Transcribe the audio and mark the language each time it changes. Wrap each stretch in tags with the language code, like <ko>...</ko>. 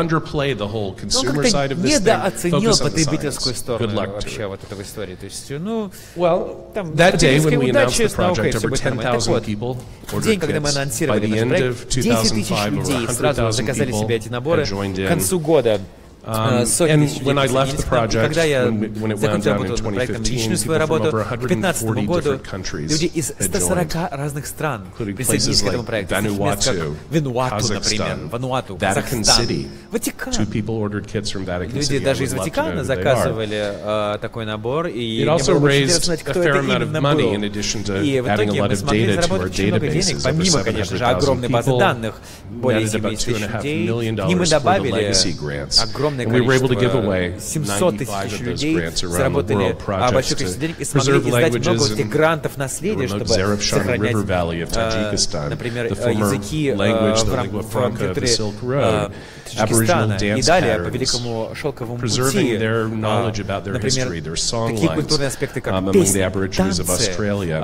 <ru>Ну, как-то недооценил потребительскую сторону вообще вот этой истории. То есть, ну, там, потребительская удача с наукой, все будет нормально. Так вот, в день, когда мы анонсировали наш проект, 10 тысяч людей сразу заказали себе эти наборы к концу года.</ru> <en>And when I left the project, when it wound down in 2015, people from over 140 different countries had joined, including places like Vanuatu, Vatican City. Two people ordered kits from Vatican City.</en> <ru>Люди даже из Ватикана заказывали такой набор, и</ru> <en>it also raised a fair amount of money in addition to adding a lot of data to our database.</en> <ru>Помимо, конечно же, огромной базы данных, более 7 тысяч людей, мы добавили.</ru> <en>And we were able to give away 95 of those grants around the world, projects to preserve languages and promote Zarafshan River Valley of Tajikistan, the former language, the lingua franca of the Silk Road, Aboriginal dance patterns, preserving their knowledge about their history, their song lines, among the Aborigines of Australia,</en>